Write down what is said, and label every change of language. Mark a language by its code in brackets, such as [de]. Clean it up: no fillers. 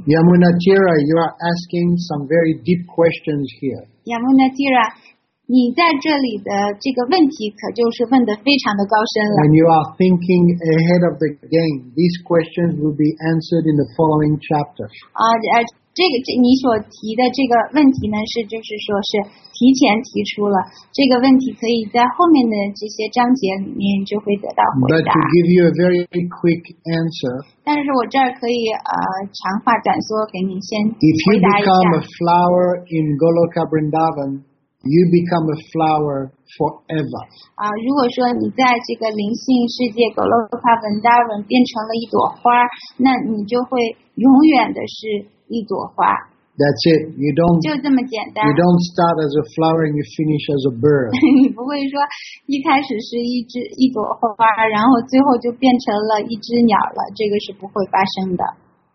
[en] Yamunatira, you are asking some very deep questions here. [zh] Yamunatira, 你在这里的这个问题可就是问得非常的高深了。 [en] When you are thinking ahead of the game, these questions will be answered in the following chapter. [zh] 你所提的这个问题呢，是就是说是提前提出了，这个问题可以在后面的这些章节里面就会得到回答。 [en] But to give you a very quick answer. [zh] 但是我这儿可以长话短说给你先回答一下。 [en] If you become a flower in Goloka Vrindavan,You become a flower forever. [zh] 如果说你在这个灵性世界格洛卡文达文变成了一朵花，那你就会永远的是一朵花。 [en] That's it. You don't. [zh] 就这么简单。 [en] You don't start as a flower and you finish as a bird. [zh] 你不会说一开始是一朵花，然后最后就变成了一只鸟了，这个是不会发生的。